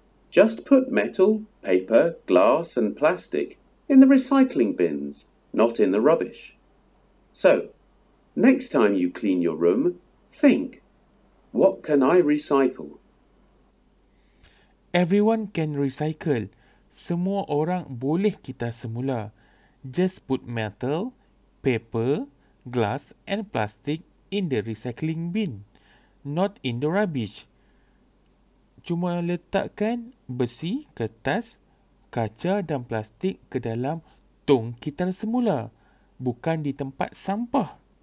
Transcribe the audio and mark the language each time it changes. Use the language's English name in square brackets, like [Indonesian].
[English] Just put metal, paper, glass and plastic in the recycling bins, not in the rubbish. So, next time you clean your room, think, what can I recycle? Everyone can recycle. [Malay] Semua orang boleh kitar semula. [English] Just put metal, paper, glass and plastic in the recycling bin, not in the rubbish. [Malay] cuma letakkan besi, kertas, kaca dan plastik ke dalam tong kitar semula, bukan di tempat sampah.